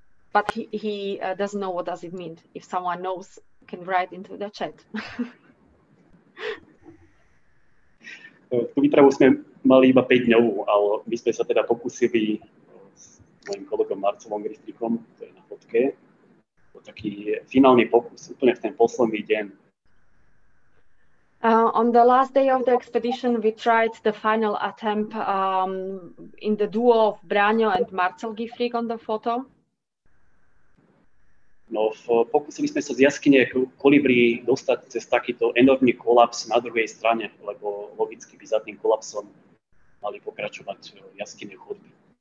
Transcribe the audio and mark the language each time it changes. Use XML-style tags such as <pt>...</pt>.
<en>But he doesn't know what does it mean. If someone knows, can write into the chat.</en> <sk>Tú výpravu sme mali iba 5 dňov, ale my sme sa teda pokúsili s mojim kolegom Marcelom Gristrikom, to je na fotke, o taký finálny pokus, úplne v ten posledný deň.</sk> <en>On the last day of the expedition, we tried the final attempt in the duo of Braňo and Marcel Gifrik on the photo.</en> <sk>No, pokúsili sme sa z jaskyne Kolibri dostať cez takýto enormný kolaps na druhej strane, lebo logicky by za tým kolapsom mali pokračovať jaskyne chodby.</sk>